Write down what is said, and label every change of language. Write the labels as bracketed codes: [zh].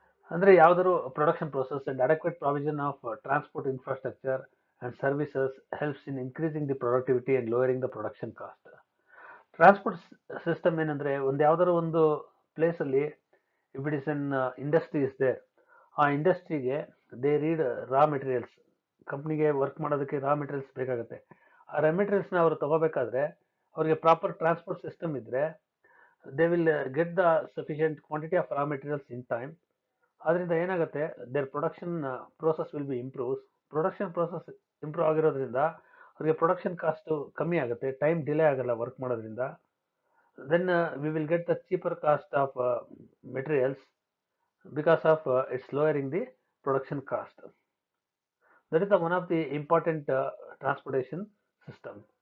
[kn] Andre yavadaru [en] production process and adequate provision of transport infrastructure and services helps in increasing the productivity and lowering the production cost. Transport system [kn] enandre ond yavadaru ondu [en] place alli if it is an industry is there, aa industry ge they need raw materials. [kn] Company ಗೆ work ಮಾಡೋದಕ್ಕೆ raw materials ಬೇಕಾಗುತ್ತೆ. ಆ raw materials ನ ಅವರು ತಗೋಬೇಕಾದ್ರೆ ಅವರಿಗೆ proper transport system ಇದ್ರೆ [en] They will get the sufficient quantity of raw materials in time. [kn] ಅದರಿಂದ ಏನಾಗುತ್ತೆ, [en] Their production process will be improves. [kn] Production process improve ಆಗಿರೋದ್ರಿಂದ ಅವರಿಗೆ ಪ್ರೊಡಕ್ಷನ್ ಕಾಸ್ಟ್ ಕಮ್ಮಿ ಆಗುತ್ತೆ, ಟೈಮ್ ಡಿಲೇ ಆಗಲ್ಲ ವರ್ಕ್ ಮಾಡೋದ್ರಿಂದ. [en] Then we will get the cheaper cost of materials because of its lowering the production cost. That is the one of the important transportation system.